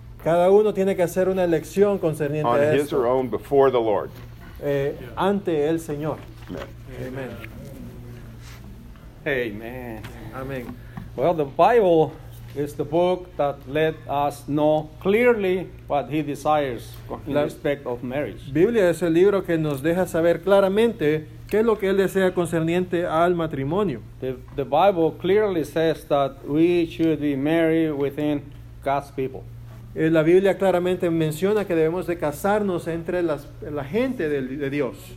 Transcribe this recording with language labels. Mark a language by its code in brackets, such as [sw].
[es] Cada uno tiene que hacer una elección concerniente [en] on [es] a esto. [en] His or own before the Lord. [es] Ante el Señor. Amen. Amen. Amen. [en] Well, the Bible is the book that let us know clearly what he desires in respect of marriage. [es] Biblia es el libro que nos deja saber claramente qué es lo que él desea concerniente al matrimonio. [en] The Bible clearly says that we should be married within God's people. [es] La Biblia claramente menciona que debemos de casarnos entre la gente de Dios.